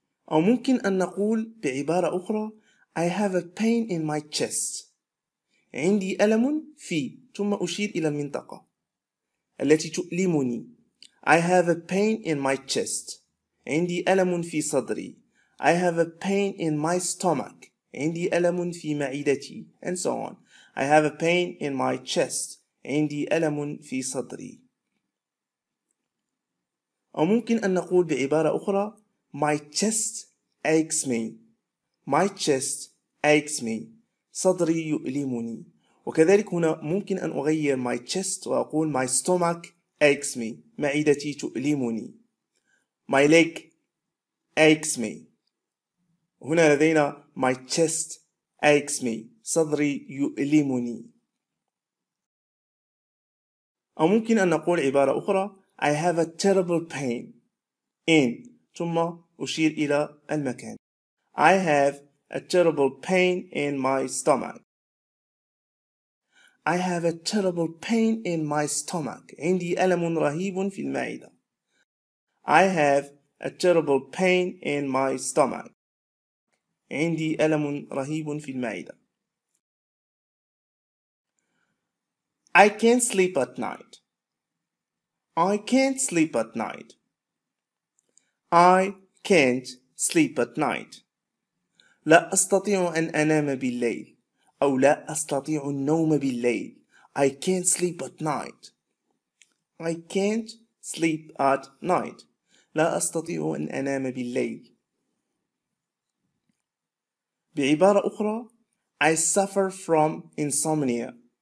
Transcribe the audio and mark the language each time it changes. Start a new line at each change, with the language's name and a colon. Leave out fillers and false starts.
Arabic: أو ممكن أن نقول بعبارة أخرى
English: I have a pain in my chest.
Arabic: عندي ألم في، ثم أشير إلى المنطقة التي تؤلمني.
English: I have a pain in my chest.
Arabic: عندي ألم في صدري.
English: I have a pain in my stomach.
Arabic: عندي ألم في معدتي.
English: And so on. I have a pain in my chest.
Arabic: عندي ألم في صدري. أو ممكن أن نقول بعبارة أخرى
English: My chest aches me. My chest aches me.
Arabic: صدري يؤلمني. وكذلك هنا ممكن أن أغير my chest وأقول
English: my stomach aches me.
Arabic: معدتي تؤلمني.
English: My leg aches me.
Arabic: هنا لدينا
English: my chest aches me.
Arabic: صدري يؤلمني. أو ممكن أن نقول عبارة أخرى
English: I have a terrible pain in،
Arabic: ثم أشير إلى المكان.
English: I have a terrible pain in my stomach. I have a terrible pain in my stomach.
Arabic: عندي ألم رهيب في المعدة.
English: I have a terrible pain in my stomach.
Arabic: عندي ألم رهيب في المعدة.
English: I can't sleep at night. I can't sleep at night. I can't sleep at night.
Arabic: لا أستطيع أن أنام بالليل أو لا أستطيع النوم بالليل.
English: I can't sleep at night. I can't sleep at night.
Arabic: لا أستطيع أن أنام بالليل. بعبارة أخرى
English: I suffer from insomnia.